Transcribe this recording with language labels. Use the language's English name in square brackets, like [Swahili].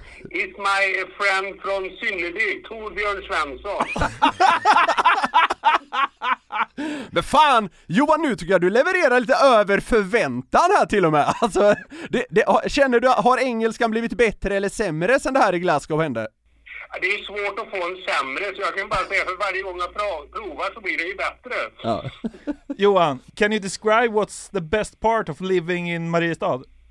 [English] It's my friend from Synnerby, Torbjörn Svensson. [Swedish] Men fan, Johan, nu tycker jag du levererar lite över förväntan här till och med. Alltså, känner du, har engelskan blivit bättre eller sämre sen det här i Glasgow hände? Det är svårt att få en sämre, så jag kan bara säga för varje gång jag provar så blir det ju bättre. Ja. [English] Johan, can you describe what's the best part of living in Mariestad?